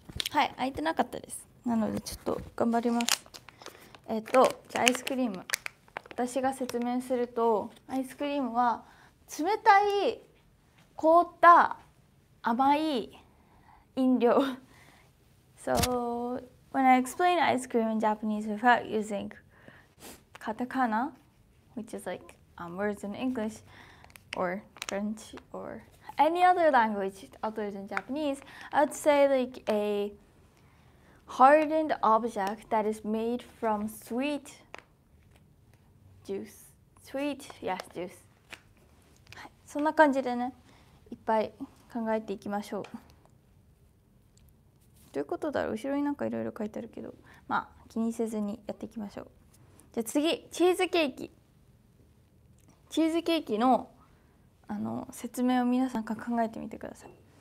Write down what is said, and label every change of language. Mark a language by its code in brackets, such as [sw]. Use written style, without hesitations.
[ja] はい、開いてなかったです。なのでちょっと頑張ります。じゃあアイスクリーム、私が説明すると、アイスクリームは冷たい、凍った、甘い飲料。 [en] So when I explain ice cream in Japanese without using katakana, which is like words in English or French or any other language other than Japanese, I'd say like aHardened object that is made from sweet juice. Sweet, yes, juice. [ja] はい、そんな感じでね、いっぱい考えていきましょう。どういうことだろう、後ろになんかいろいろ書いてあるけど、まあ気にせずにやっていきましょう。じゃあ次、チーズケーキ。チーズケーキの、あの説明を皆さんか考えてみてください。